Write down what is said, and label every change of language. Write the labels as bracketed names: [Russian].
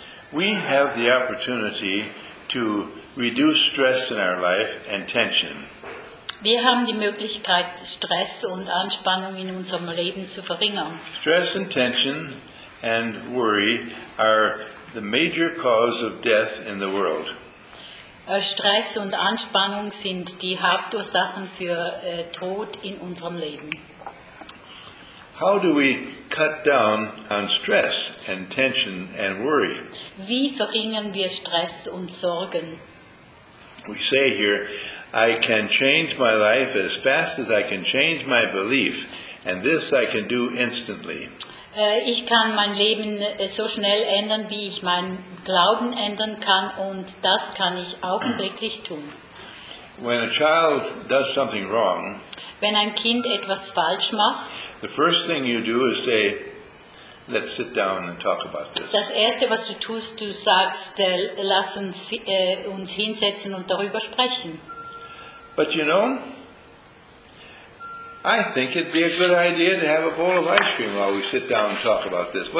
[English] We have the opportunity to reduce stress in our life and tension. [German] Wir haben die Möglichkeit, Stress und Anspannung in unserem Leben zu verringern. [English] Stress and tension and worry are the major cause of death in the world. [German] Stress und Anspannung sind die Hauptursachen für Tod in unserem Leben. [English] How do we cut down on stress and tension and worry? [German] Wie verringern wir Stress und Sorgen? [English] We say here, I can change my life as fast as I can change my belief, and this I can do instantly. [German] Ich kann mein Leben so schnell ändern, wie ich meinen Glauben ändern kann, und das kann ich augenblicklich tun. [English] When a child does something wrong, [German] wenn ein Kind etwas falsch macht, [English] the first thing you do is say, let's sit down and talk about this. [German] Das erste, was du tust, du sagst, lass uns uns hinsetzen und darüber sprechen. [English] But you know, I think it'd be a good idea to have a bowl of ice cream while we sit down and talk about this.